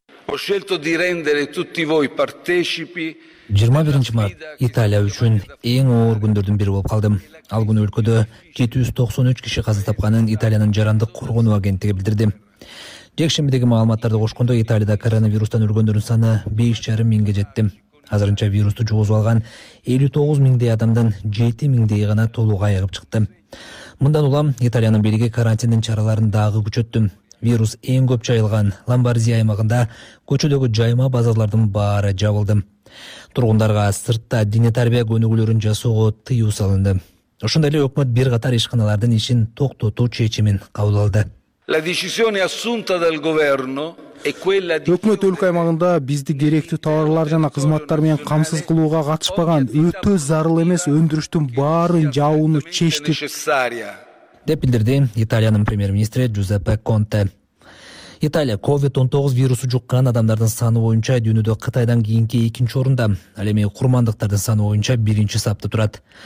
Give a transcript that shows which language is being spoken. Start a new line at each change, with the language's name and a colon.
Italian: Ho scelto di rendere tutti voi partecipi.
Kyrgyz: 21 март Италия үчүн эң оор күндөрдүн бири болуп калды. Ал күнү өлкөдө 793 киши каза тапканын Италиянын жарандык коргоонуу агенттиги билдирди. Жекшембидеги маалыматтарды кошкондо Италияда коронавирустан өлгөндөрдүн саны 5,5 миңге жетти. Азырынча вирусту жугузуп алган 59 миңдей адамдан 7 миңдейи гана толук айыгып чыкты. Мындан улам Италиянын бийлиги карантиндин чараларын дагы күчөттү. Вирус эң көп жайылган Ломбардия аймагында көчөдөгү жайма базарлардын баары жабылды. Тургундарга сыртта дене тарбия көнүгүүлөрүн жасоого тыюу салынды. Ошондой эле өкмөт бир катар ишканалардын ишин токтотуу чечимин кабыл алды.
Italian: La decisione assunta dal governo è quella di
Kyrgyz: Өкмөт өлкө аймагында бизди керектүү товарлар жана кызматтар менен камсыз кылууга катышпаган өтө зарыл эмес өндүрүштүн баарын жабууну чечти. Деп билдирди Италиянын премьер-министри Джузеппе Конте. Италия COVID-19 вирусу жуккан адамдардын саны боюнча дүйнөдө Кытайдан кийинки экинчи орунда, ал эми курмандыктардын саны боюнча биринчи сапта турат.